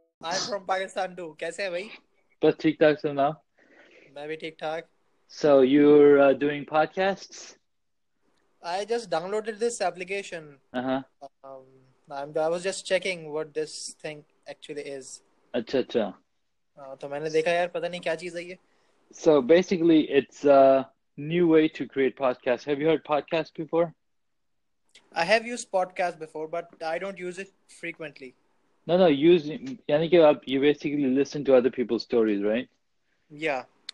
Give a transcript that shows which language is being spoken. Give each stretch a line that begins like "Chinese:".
English: I'm from Pakistan too.
Hindi: Kaise hai bhai? Bas theek thaak sab na. Main bhi theek thaak.
English: So you're doing podcasts? I just downloaded this application. I was just checking what this thing actually is.
Hindi: Achcha achcha. तो मैंने देखा यार पता नहीं क्या चीज है ये.
English: So basically it's a new way to create podcasts. Have you heard podcasts before? I have used podcasts before, but I don't use it frequently. No,
Hindi: यानी कि आप
English: you basically listen to other people's stories, right? Yeah.